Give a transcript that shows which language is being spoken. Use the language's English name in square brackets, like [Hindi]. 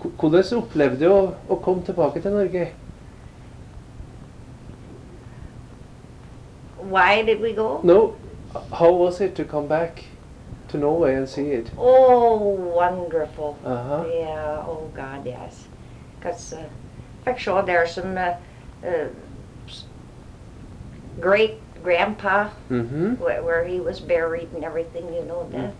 [Norwegian] Hvordan opplevde du å komme tilbake til Norge? [English] Why did we go? No, how was it to come back to Norway and see it? Oh, wonderful. Uh-huh. Yeah, oh god, yes. Because I [Norwegian] fikk se der som [English] great grandpa, mm-hmm. where he was buried and everything, you know, that.